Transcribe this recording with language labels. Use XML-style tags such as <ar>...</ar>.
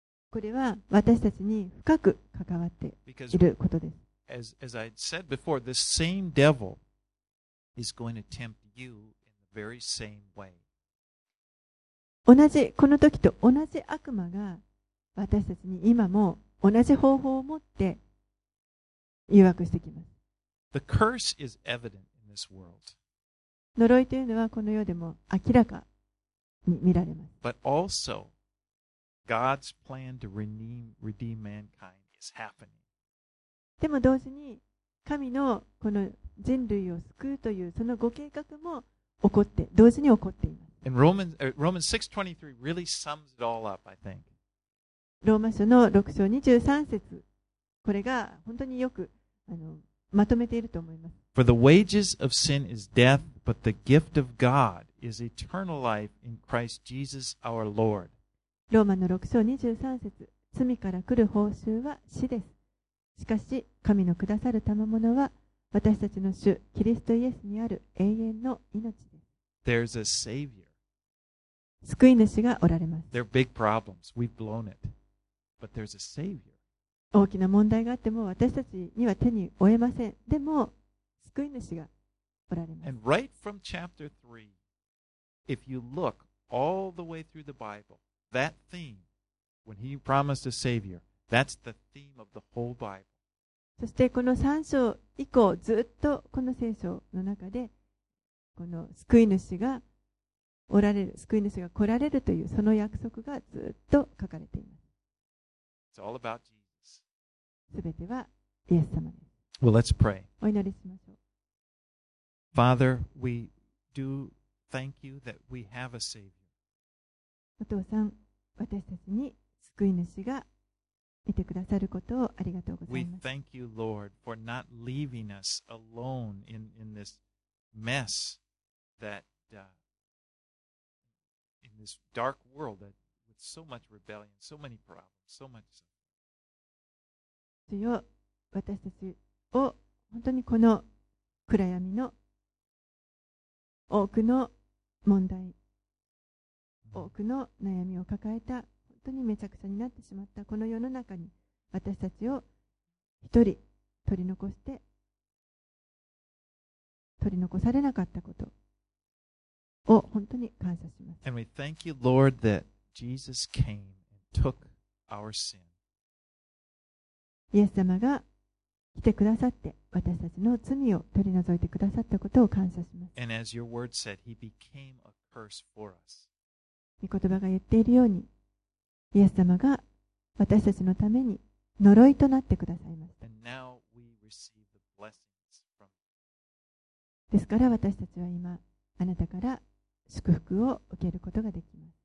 <ja>これは私たちに深く関わっていることです。</ja> <en>As I said before, the same devil is going to tempt you in the very same way.</en> <ja>同じこの時と同じ悪魔が私たちに今も同じ方法を持って誘惑してきます。</ja> <en>The curse is evident in this world.</en> <ja>呪いというのはこの世でも明らかに見られます。</ja> <en>But also, God's plan to redeem mankind is happening.</en> <ja>でも同時に神のこの人類を救うというそのご計画も起こって、同時に起こっています。</ja> <en>And Romans 6:23 really sums it all up, I think.</en> <ja>ローマ書の6章23節これが本当によくまとめていると思います。</ja> <en>For the wages of sin is death, but the gift of God is eternal life in Christ Jesus our Lord.</en> <ja>ローマの6章23節罪から来る報酬は死です。しかし、神のくださる賜物は私たちの主、キリストイエスにある永遠の命です。</ja> <en>There's a Savior.</en> <ja>救い主がおられます。</ja> <en>There are big problems. We've blown it. But there's a savior.</en> <ja>大きな問題があっても私たちには手に負えません。でも救い主がおられます。</ja> <en>And right from chapter 3, if you look all the way through the Bible, that theme, when he promised a savior, that's the theme of the whole Bible.</en> <ja>そしてこの3章以降ずっとこの聖書の中でこの救い主がおられる、救い主が来られるというその約束がずっと書かれています。</ja> <en>It's all about Jesus.</en> <ja>すべてはイエス様です。</ja> <en>Well, let's pray.</en> <ja>お祈りしましょう。</ja> <en>Father, we do thank you that we have a Savior.</en> <ja>お父さん、私たちに救い主がいてくださることをありがとうございます。</ja> <en>We thank you, Lord, for not leaving us alone in this mess that in this dark world that with so much rebellion, so many problems.</en> <ja>主よ、私たちを本当にこの暗闇の多くの問題、多くの悩みを抱えた、本当にめちゃくちゃになってしまったこの世の中に私たちを一人取り残して、取り残されなかったことを本当に感謝します。</ja> <en>And we thank you, Lord, that Jesus came and took. Our sin.</en> <ja>イエス様が来てくださって私たちの罪を取り除いてくださったことを感謝します。</ja> <en>And as your word said, he became a curse for us.</en> <ja>御言葉が言っているように、イエス様が私たちのために呪いとなってくださいました。</ja> <en>And now we receive the blessings from</en> <ja>ですから私たちは今、あなたから祝福を受けることができます。</ja>